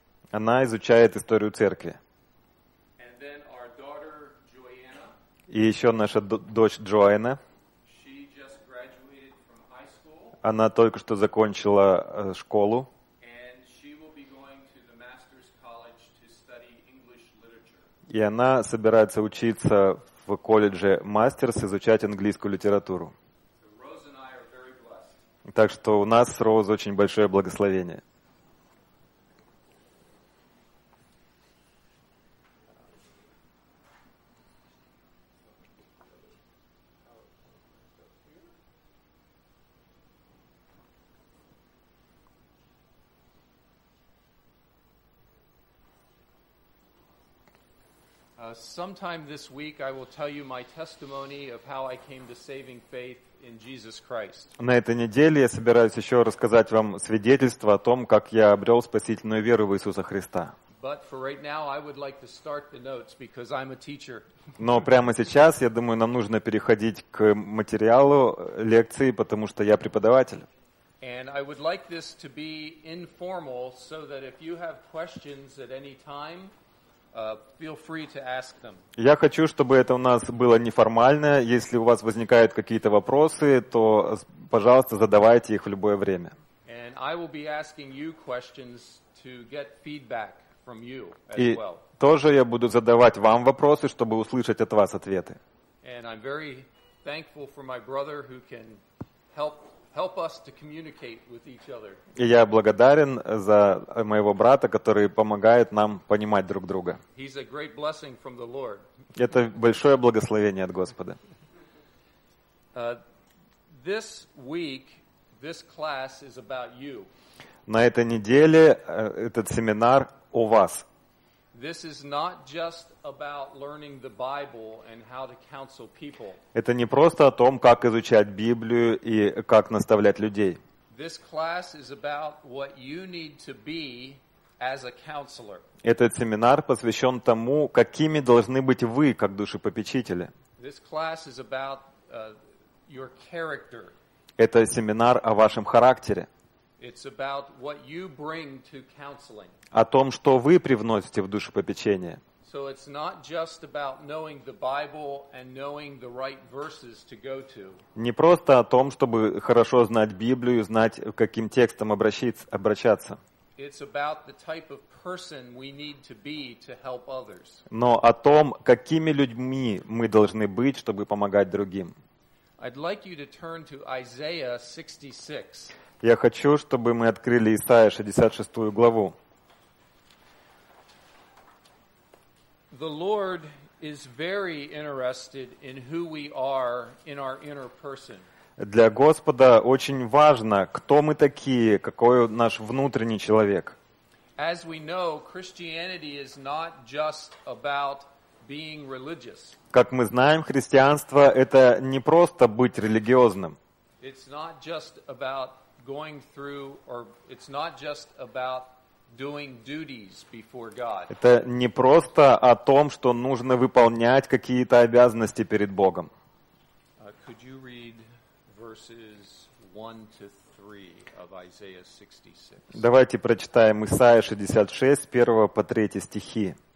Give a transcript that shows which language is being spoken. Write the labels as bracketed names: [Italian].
[Russian] Она изучает историю церкви. [English] And then our daughter, Joanna, [Russian] и еще наша дочь Джоэна. [English] She just graduated from high school, [Russian] она только что закончила школу. [English] And she will be going to the master's college to study English literature. [Russian] И она собирается учиться в колледже Мастерс, изучать английскую литературу. [English] Rose and I are very blessed. [Russian] Так что у нас с Роуз очень большое благословение. [English] Sometime this week I will tell you my testimony of how I came to saving faith in Jesus Christ. [Russian] На этой неделе я собираюсь еще рассказать вам свидетельство о том, как я обрел спасительную веру в Иисуса Христа. [English] But for right now I would like to start the notes because I'm a teacher. [Russian] Но прямо сейчас, я думаю, нам нужно переходить к материалу лекции, потому что я преподаватель. [English] And I would like this to be informal so that if you have questions at any time, feel free to ask them. [Russian] Я хочу, чтобы это у нас было неформально. Если у вас возникают какие-то вопросы, то, пожалуйста, задавайте их в любое время. [English] And I will be asking you questions to get feedback from you as well. [Russian] И тоже я буду задавать вам вопросы, чтобы услышать от вас ответы. [English] And I'm very thankful for my brother who can help us to communicate with each other. [Russian] И я благодарен за моего брата, который помогает нам понимать друг друга. [English] He's a great blessing from the Lord. [Russian] Это большое благословение от Господа. [English] This week, this class is about you. [Russian] На этой неделе этот семинар о вас. [English] This is not just about learning the Bible and how to counsel people. [Russian] Это не просто о том, как изучать Библию и как наставлять людей. [English] This class is about what you need to be as a counselor. [Russian] Этот семинар посвящен тому, какими должны быть вы как душепопечители. [English] This class is about your character. [Russian] Это семинар о вашем характере. [English] It's about what you bring to counseling. [Russian] О том, что вы привносите в душепопечение. [English] So it's not just about knowing the Bible and knowing the right verses to go to. [Russian] Не просто о том, чтобы хорошо знать Библию, знать, каким текстом обращаться. [English] It's about the type of person we need to be to help others. [Russian] Но о том, какими людьми мы должны быть, чтобы помогать другим. [English] I'd like you to turn to Isaiah 66. [Russian] Я хочу, чтобы мы открыли Исаия 66 главу. [English] The Lord is very interested in who we are in our inner person. [Russian] Для Господа очень важно, кто мы такие, какой наш внутренний человек. [English] As we know, Christianity is not just about being religious. [Russian] Как мы знаем, христианство — это не просто быть религиозным. [English] It's not just about going through, or it's not just about doing duties before God. [Russian] Это не просто о том, что нужно выполнять какие-то обязанности перед Богом. [English] Could you read verses 1 to 3 of Isaiah 66? [Russian] Давайте прочитаем Исаия 66, 1 по 3 стихи.